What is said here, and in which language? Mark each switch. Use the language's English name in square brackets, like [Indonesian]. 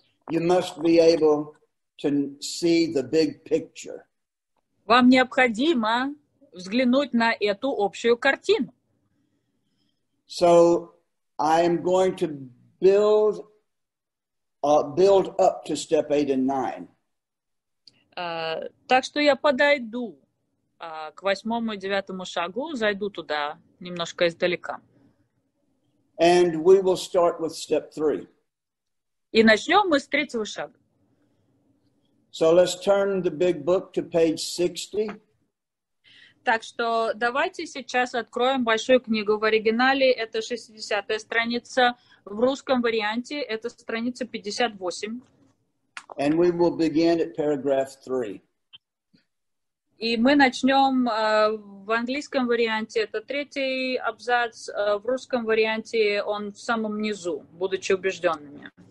[English] You must be able to see the big picture. [Russian] Вам необходимо взглянуть на эту общую картину. [English] So, I am going to build up to step 8 and 9. [Russian] Так что я подойду к восьмому и девятому шагу, зайду туда немножко издалека. [English] And we will start with step 3. [Russian] И начнем мы с третьего шага. [English] So let's turn the big book to page 60. [Russian] Так что давайте сейчас откроем большую книгу. В оригинале это 60-я страница, в русском варианте это страница 58. [English] And we will begin at paragraph 3. [Russian] И мы начнем в английском варианте, это третий абзац, в русском варианте он в самом низу, будучи убежденными.